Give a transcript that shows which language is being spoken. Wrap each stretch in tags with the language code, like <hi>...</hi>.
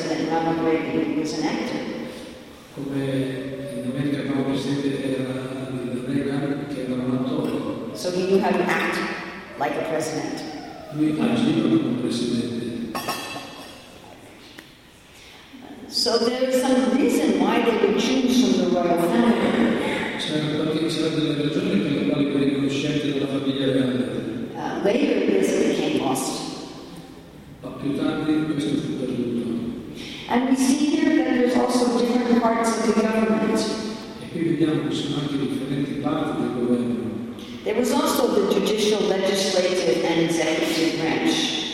<en>Ronald Reagan was an actor.</en> <it>Come in America, Paolo Presidente era un attore.</it> <en>So he knew how to act like a president.</en> <it>Lui agiva come presidente.</it> <en>So there is some reason why they would choose from the royal family.</en> <it>C'era delle ragioni per le quali per i conoscenti della famiglia reale.</it> <en>Later this became lost.</en> <it>Ma più tardi questo fu perduto.</it> <en>And we see here that there's also different parts of the government.</en> <it>E qui vediamo che sono anche differenti parti del governo.</it> <en>There was also the judicial, legislative and executive branch.</en>